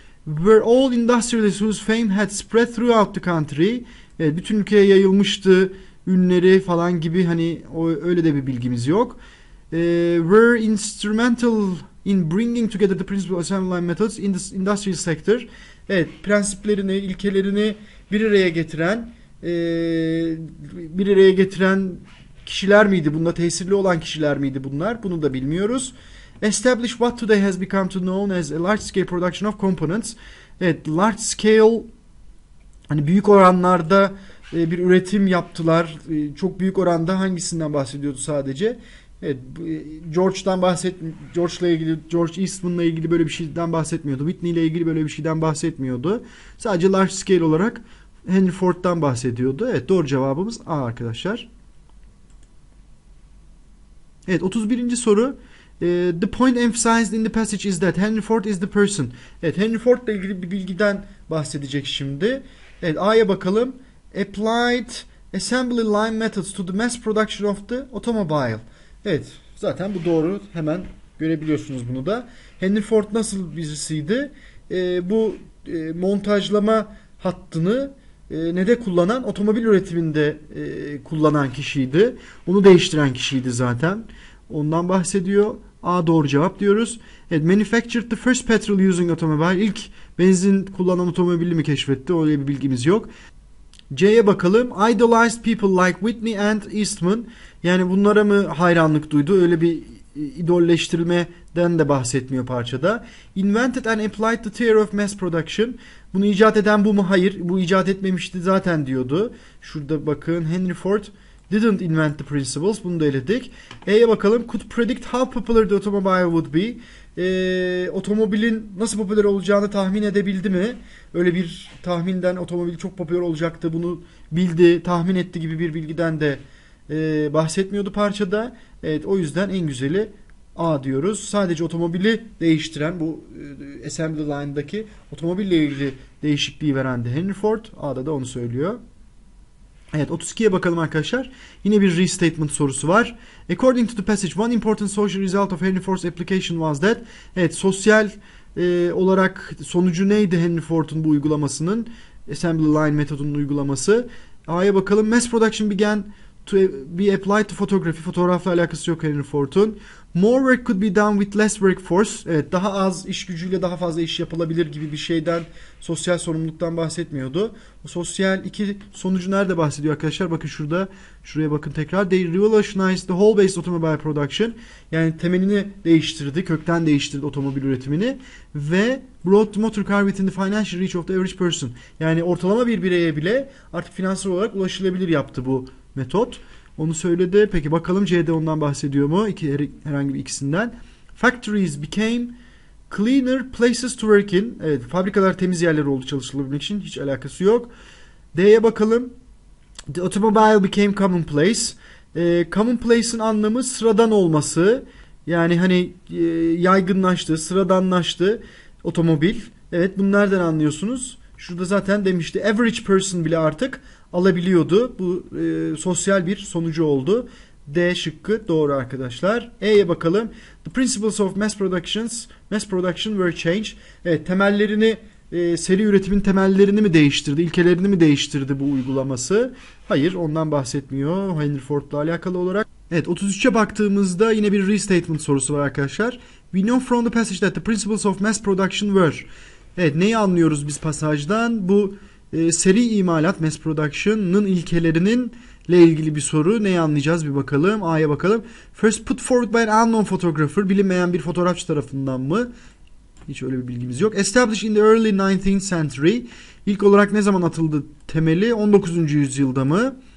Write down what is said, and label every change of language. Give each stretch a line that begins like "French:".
English: Were all industrialists whose fame had spread throughout the country.
Turkish: Evet, bütün ülkeye yayılmıştı ünleri falan gibi, hani öyle de bir bilgimiz yok.
English: Were instrumental in bringing together the principal assembly line methods in the industrial sector.
Turkish: Evet, prensiplerini, ilkelerini bir araya getiren kişiler miydi? Bunda tesirli olan kişiler miydi bunlar? Bunu da bilmiyoruz.
English: Establish what today has become to known as a large scale production of components.
Turkish: Evet, large scale, hani büyük oranlarda bir üretim yaptılar. Çok büyük oranda, hangisinden bahsediyordu sadece? Evet, George Eastman'la ilgili böyle bir şeyden bahsetmiyordu. Whitney'le ilgili böyle bir şeyden bahsetmiyordu. Sadece large scale olarak Henry Ford'dan bahsediyordu. Evet, doğru cevabımız A arkadaşlar. Evet, 31. soru.
English: The point emphasized in the passage is that Henry Ford is the person.
Turkish: Evet, Henry Ford'la ilgili bir bilgiden bahsedecek şimdi. Evet, A'ya bakalım.
English: Applied assembly line methods to the mass production of the automobile.
Turkish: Evet, zaten bu doğru. Hemen görebiliyorsunuz bunu da. Henry Ford nasıl birisiydi? Bu montajlama hattını nede kullanan, otomobil üretiminde kullanan kişiydi. Onu değiştiren kişiydi zaten. Ondan bahsediyor. A doğru cevap diyoruz. Evet,
English: manufactured the first petrol using automobile.
Turkish: İlk benzin kullanan otomobili mi keşfetti? Öyle bir bilgimiz yok. C'ye bakalım.
English: Idolized people like Whitney and Eastman.
Turkish: Yani bunlara mı hayranlık duydu? Öyle bir idolleştirmeden de bahsetmiyor parçada.
English: Invented and applied the theory of mass production.
Turkish: Bunu icat eden bu mu? Hayır. Bu icat etmemişti zaten diyordu. Şurada bakın.
English: Henry Ford didn't invent the principles.
Turkish: Bunu da eledik. E'ye bakalım.
English: Could predict how popular the automobile would be.
Turkish: Otomobilin nasıl popüler olacağını tahmin edebildi mi? Öyle bir tahminden, otomobil çok popüler olacaktı, bunu bildi, tahmin etti gibi bir bilgiden de bahsetmiyordu parçada. Evet, o yüzden en güzeli A diyoruz. Sadece otomobili değiştiren, bu assembly line'daki otomobille ilgili değişikliği veren de Henry Ford. A'da da onu söylüyor. Evet, 32'ye bakalım arkadaşlar. Yine bir restatement sorusu var.
English: According to the passage, one important social result of Henry Ford's application was that.
Turkish: Evet, sosyal olarak sonucu neydi Henry Ford'un bu uygulamasının? Assembly line metodunun uygulaması. A'ya bakalım.
English: Mass production began to be applied to photography.
Turkish: Fotoğrafla alakası yok Henry Ford'un.
English: More work could be done with less workforce.
Turkish: Evet, daha az iş gücüyle daha fazla iş yapılabilir gibi bir şeyden, sosyal sorumluluktan bahsetmiyordu. O sosyal iki sonucu nerede bahsediyor arkadaşlar? Bakın şurada. Şuraya bakın tekrar.
English: They revolutionized the whole based automobile production.
Turkish: Yani temelini değiştirdi. Kökten değiştirdi otomobil üretimini.
English: Ve brought the motor car within the financial reach of the average person.
Turkish: Yani ortalama bir bireye bile artık finansal olarak ulaşılabilir yaptı bu metot. Onu söyledi. Peki bakalım C'de ondan bahsediyor mu? Herhangi bir ikisinden.
English: Factories became cleaner places to work in.
Turkish: Evet, fabrikalar temiz yerler oldu çalışılabilmek için. Hiç alakası yok. D'ye bakalım.
English: The automobile became commonplace.
Turkish: Commonplace'ın anlamı sıradan olması. Yani hani yaygınlaştı, sıradanlaştı otomobil. Evet, bunu nereden anlıyorsunuz? Şurada zaten demişti. Average person bile artık alabiliyordu. Bu sosyal bir sonucu oldu. D şıkkı doğru arkadaşlar. E'ye bakalım.
English: The principles of mass production were changed.
Turkish: Evet, temellerini seri üretimin temellerini mi değiştirdi? İlkelerini mi değiştirdi bu uygulaması? Hayır, ondan bahsetmiyor. Henry Ford'la alakalı olarak. Evet, 33'e baktığımızda yine bir restatement sorusu var arkadaşlar.
English: We know from the passage that the principles of mass production were.
Turkish: Evet, neyi anlıyoruz biz pasajdan? Bu seri imalat, mass production'ın ilkelerinin ile ilgili bir soru. Neyi anlayacağız bir bakalım. A'ya bakalım.
English: First put forward by an unknown photographer.
Turkish: Bilinmeyen bir fotoğrafçı tarafından mı? Hiç öyle bir bilgimiz yok.
English: Established in the early 19th century.
Turkish: İlk olarak ne zaman atıldı temeli? 19. yüzyılda mı?